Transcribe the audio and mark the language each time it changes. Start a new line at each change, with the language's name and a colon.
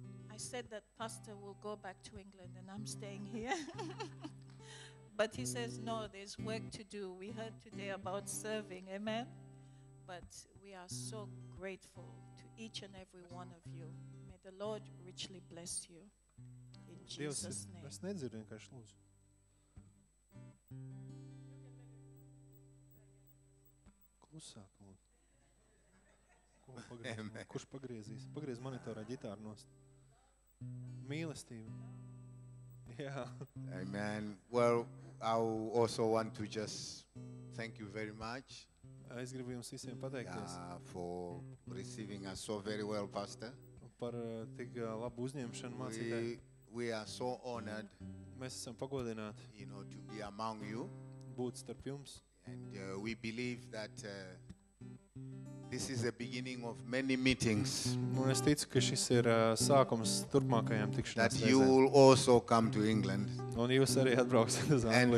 English: I said that pastor will go back to England and I'm staying here. But he says, no, there's work to do. We heard today about serving, amen? But we are so grateful to each and every one of you. May the Lord richly bless you in Jesus' name.
Latvian: Es nedzirdu vienkārši lūdzu. Klusāk lūdzu. Kurš pagriezīs? Pagriez monitorā ģitāru nost. Mīlestība.
English: Yeah. Amen. Well, I also want to just thank you very much.
Latvian: Es gribu jums visiem pateikties.
English: For receiving us so very well, Pastor.
Latvian: Par tik labu uzņemšanu, mācītāji.
English: We are so honored.
Latvian: Mēs esam pagodināti.
English: You know, to be among you.
Latvian: Būt starp jums.
English: And we believe that this is the beginning of many meetings.
Latvian: Un es ticu, ka šis ir sākums turpmākajām tikšanās.
English: That you will also come to England.
Latvian: Un jūs arī atbrauksiet uz Angliju.